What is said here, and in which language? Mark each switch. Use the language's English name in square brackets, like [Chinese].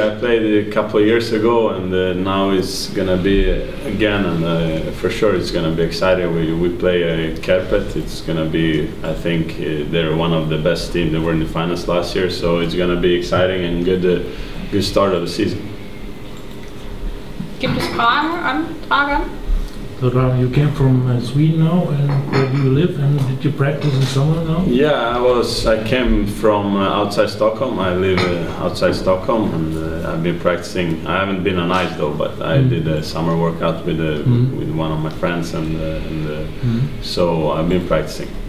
[English] I played a couple of years ago and now it's going to be again and for sure it's going to be exciting. We play Kerpet, it's going to be, I think, they're one of the best teams that were in the finals last year, so it's going to be exciting and good start of the season. [German] Gibt es Fragen an Dragan? [English] Dragan, you came from Sweden now, and where do you live? And did you practice in summer now? Yeah, I came from outside Stockholm. I live outside Stockholm, and I've been practicing. I haven't been on ice though, but I did a summer workout with one of my friends, so I've been practicing.